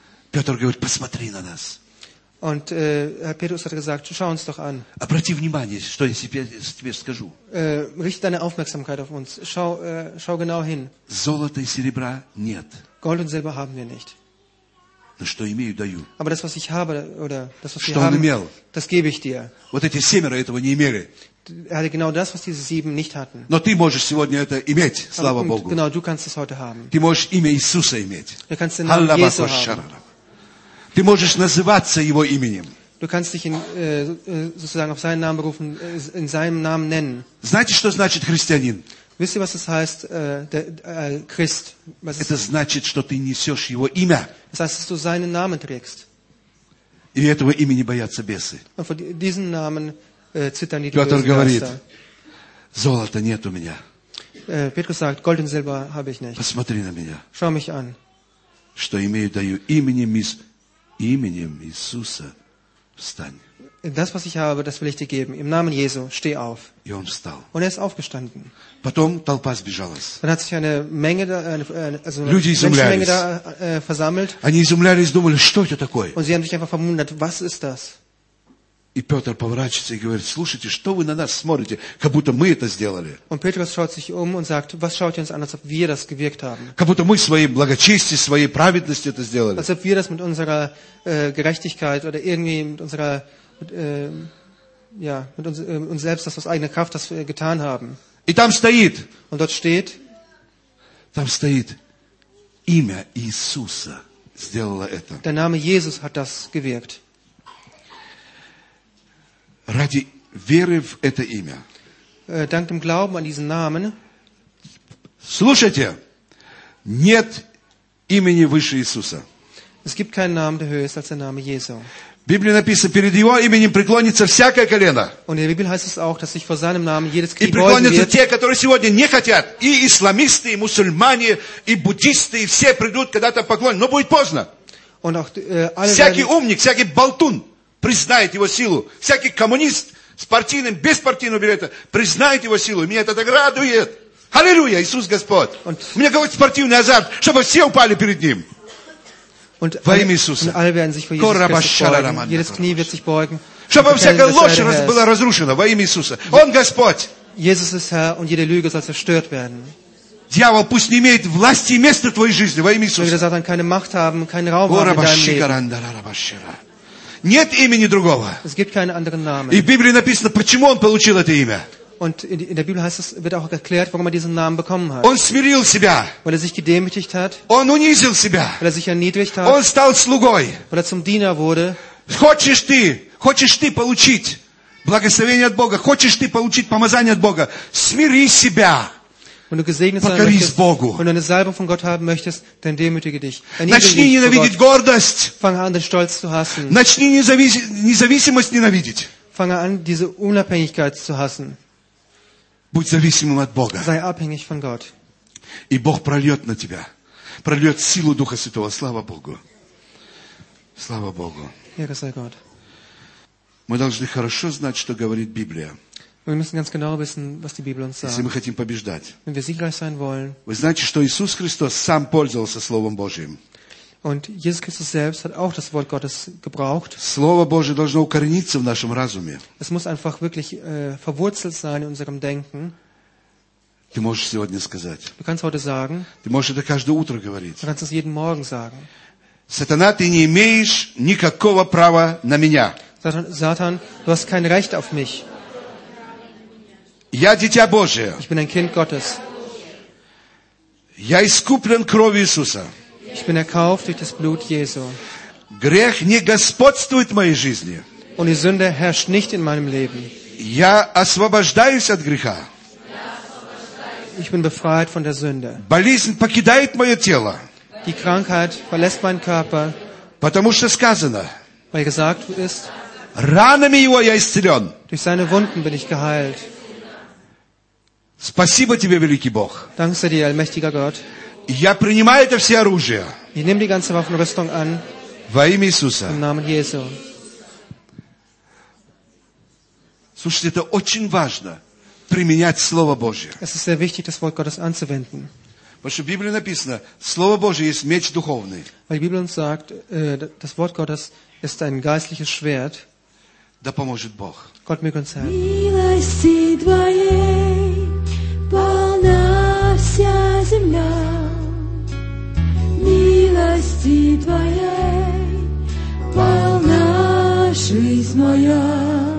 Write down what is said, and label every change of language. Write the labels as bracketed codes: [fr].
[ru] Петр говорит, посмотри на нас. [de] Und Herr Petrus hat gesagt, schau uns doch an. [ru] Обрати внимание, что я тебе скажу. [de] Richte deine Aufmerksamkeit auf uns. Schau genau hin. [ru] Золота и серебра нет. [de] Gold und Silber haben wir nicht. [ru] Но что имею, даю. [de] Aber das, was ich habe, oder das, was [ru] что [de] wir [ru] он [de] haben, [ru] имел? [de] Das gebe ich dir. [ru] Вот эти семеро этого не имели. [de] Er hatte genau das, was diese sieben nicht hatten. [ru] Но ты можешь сегодня это иметь, слава [de] Aber, [ru] Богу. [de] Genau, du kannst es heute haben. [ru] Ты можешь имя Иисуса иметь. [de] Du kannst den Namen Halla Jesu haben. [ru] Ты можешь называться его именем. [de] Du kannst dich in, sozusagen auf seinen Namen berufen, in seinem Namen nennen. [ru] Знаете, что значит христианин? [de] Wisst ihr, was das heißt, Christ? Was [ru] это [de] ist, [ru] значит, что ты несешь его имя. [de] Das heißt, dass du seinen Namen trägst. [ru] И этого имени боятся бесы. [de] Und vor diesen Namen zittern die [ru] Бесы. Петр говорит, золота нет у меня. [de] Петрус sagt, Gold und Silber habe ich nicht. [ru] Посмотри на меня. [de] Schau mich an. [ru] Что имею, даю именем Иисуса. Именем Иисуса встань. [de] Das, was ich habe, das will ich dir geben. Im Namen Jesu, steh auf. [ru] И он встал. [de] Und ist aufgestanden. [ru] Потом толпа сбежалась. [de] Dann hat sich eine Menge da, also [ru] Люди [de] eine Menschenmenge da versammelt. [ru] Они изумлялись, думали, что это такое? [de] Und sie haben sich einfach verwundert, was ist das? [ru] И Петр поворачивается и говорит, слушайте, что вы на нас смотрите, как будто мы это сделали. [de] Und Petrus schaut sich um und sagt, was schaut ihr uns an, als ob wir das gewirkt haben. [ru] Как будто мы своей благочестии, своей праведности это сделали. [de] Als ob wir das mit unserer Gerechtigkeit oder irgendwie mit unserer, mit uns selbst, das aus eigener Kraft, das wir getan haben. [ru] И там стоит. [de] Und dort steht. [ru] Там стоит имя Иисуса сделало это. [de] Der Name Jesus hat das gewirkt. [ru] Ради веры в это имя. [de] Dank dem Glauben an diesen Namen. [ru] Слушайте, нет имени выше Иисуса. [de] Es gibt keinen Namen, der höher ist als der Name Jesu. [ru] В Библии написано, перед Его именем преклонится всякое колено. [de] Und in der Bibel heißt es auch, dass sich vor seinem Namen jedes Knie beugen wird. [ru] И преклонятся те, которые сегодня не хотят. И исламисты, и мусульмане, и буддисты, и все придут когда-то поклонить. Но будет поздно. [de] Und auch, [ru] всякий умник, всякий болтун. Признает его силу. Всякий коммунист с партийным, без партийного билета признает его силу. Меня это так радует. Аллилуйя, Иисус Господь. [de] Und [ru] у меня какой-то спортивный азарт, чтобы все упали перед Ним. Во имя Иисуса. Чтобы всякая ложь была разрушена во имя Иисуса. Он Господь. Дьявол, пусть не имеет власти и места в твоей жизни во имя Иисуса. Он говорит, [de] keine Macht haben, keinen Raum haben in deinem Leben. [ru] Нет имени другого. [de] Es gibt keinen anderen Namen. [ru] И в Библии написано, почему он получил это имя. [de] Und in der Bibel heißt es, wird auch erklärt, warum er diesen Namen bekommen hat. [ru] Он смирил себя. [de] Weil er sich gedemütigt hat. [ru] Он унизил себя. [de] Weil er sich erniedrigt hat. [ru] Он стал слугой. [de] Weil er zum Diener wurde. [ru] Хочешь ты получить благословение от Бога, хочешь ты получить помазание от Бога, смири себя. [de] Wenn du gesegnet sein möchtest, wenn du eine Salbung von Gott haben möchtest, dann demütige dich. [ru] Начни ненавидеть гордость. [de] Fange an, den Stolz zu hassen. [ru] Начни независимость ненавидеть. [de] Fange an, diese Unabhängigkeit zu hassen. [ru] Будь зависимым от Бога. [de] Sei abhängig von Gott. [ru] И Бог прольет на тебя, прольет силу Духа Святого. Слава Богу. Слава Богу. [de] Ehre sei Gott. [ru] Мы должны хорошо знать, что говорит Библия. [de] Wir müssen ganz genau wissen, was die Bibel uns sagt. [ru] Если мы хотим побеждать. [de] Wenn wir siegreich sein wollen. [ru] Вы знаете, что Иисус Христос сам пользовался Словом Божьим. [de] Und Jesus Christus selbst hat auch das Wort Gottes gebraucht. [ru] Слово Божье должно укорениться в нашем разуме. [de] Es muss einfach wirklich verwurzelt sein in unserem Denken. [ru] Ты можешь сегодня сказать. [de] Du kannst heute sagen. [ru] Ты можешь это каждое утро говорить. [de] Du kannst es jeden Morgen sagen. [ru] Сатана, ты не имеешь никакого права на меня. [de] Satan, du hast kein Recht auf mich. [ru] Я дитя Божие. [de] Ich bin ein Kind Gottes. [ru] Я искуплен кровью Иисуса. [de] Ich bin erkauft durch das Blut Jesu. [ru] Грех не господствует в моей жизни. [de] Und die Sünde herrscht nicht in meinem Leben. [ru] Я освобождаюсь от греха. [de] Ich bin befreit von der Sünde. [ru] Болезнь покидает мое тело. [de] Die Krankheit verlässt meinen Körper. [ru] Потому что сказано. [de] Weil gesagt ist. [ru] Ранами его я исцелен. [de] Durch seine Wunden bin ich geheilt. [ru] Спасибо тебе, великий Бог. [de] Dank sei dir, allmächtiger Gott. [ru] Я принимаю это все оружие. [de] Ich nehme die ganze Waffenrüstung an. [ru] Во имя Иисуса. [de] Im Namen Jesu. [ru] Слушайте, это очень важно. Применять Слово Божье. [de] Es ist sehr wichtig, das Wort Gottes anzuwenden. [ru] Потому что в Библии написано, Слово Божье есть меч духовный. [de] Weil die Bibel uns sagt, das Wort Gottes ist ein geistliches Schwert. [ru] Да поможет Бог. [de] Gott möge uns helfen. [ru] Милости твоей полна вся земля. Милости твоей полна жизнь моя.